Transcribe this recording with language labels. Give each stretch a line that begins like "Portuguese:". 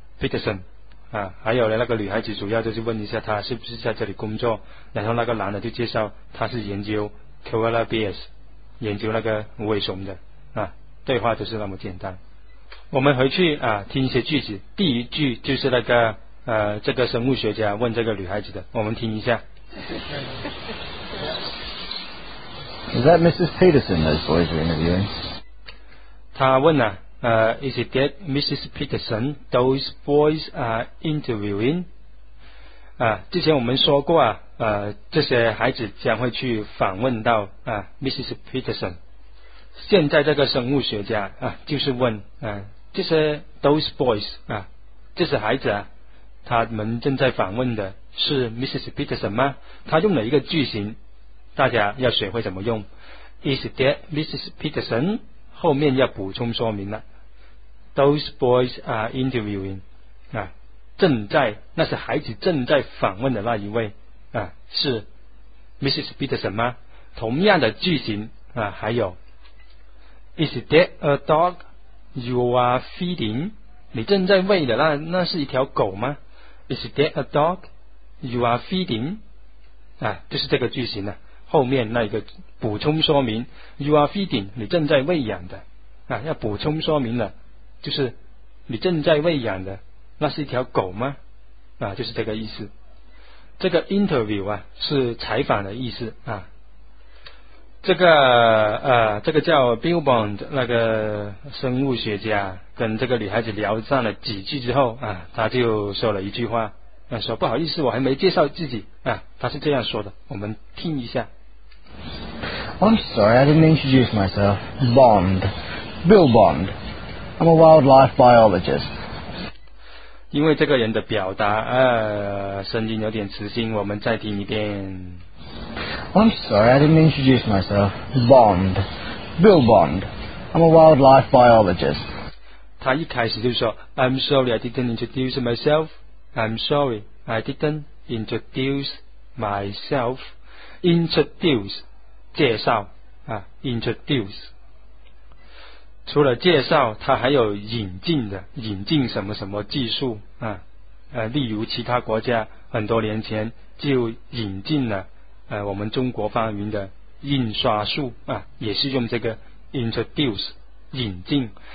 Chinese: Peterson 啊，还有呢那个女孩子主要就是问一下他是不是在这里工作，然后那个男的就介绍他是研究 koala bears。研究那个无尾熊的啊，对话就是那么简单。我们回去啊，听一些句子。第一句就是那个这个生物学家问这个女孩子的，我们听一下。
English: Is that Mrs. Peterson those boys are interviewing?
Chinese: 他问了，
English: Is it that Mrs. Peterson those boys are interviewing?
Chinese: 啊，之前我们说过啊。这些孩子将会去访问到Mrs. Peterson。现在这个生物学家就是问这些 those boys 这些孩子他们正在访问的是 Mrs. Peterson 吗？他用了一个句型，大家要学会怎么用。
English: Is that Mrs. Peterson？
Chinese: 后面要补充说明了。
English: Those boys are interviewing
Chinese: 正在，那些孩子正在访问的那一位。是 Mrs. Peterson 吗？同样的句型还有
English: Is that a dog you are feeding?
Chinese: 你正在喂的那是一条狗吗？
English: Is that a dog you are feeding?
Chinese: 就是这个句型了。后面那个补充说明
English: You are feeding
Chinese: 你正在喂养的、啊、要补充说明了，就是你正在喂养的那是一条狗吗、啊、就是这个意思。这个 interview 啊是采访的意思啊。这个叫 Bill Bond 那个生物学家跟这个女孩子聊上了几句之后啊，他就说了一句话，说不好意思，我还没介绍自己啊。他是这样说的，我们听一下。
English: I'm sorry, I didn't introduce myself. Bond, Bill Bond. I'm a wildlife biologist.
Chinese: 因为这个人的表达声音有点磁性，我们再听一遍。
English: I'm sorry, I didn't introduce myself. Bond, Bill Bond. I'm a wildlife biologist. 他一开始就说 I'm sorry, I didn't introduce myself. I'm sorry, I didn't introduce myself.
Chinese: Introduce, 介绍、啊、introduce. 除了介绍他还有引进的，引进什么什么技术、啊例如其他国家很多年前就引进了我们中国发明的印刷术啊，也是用这个 introduce 引进。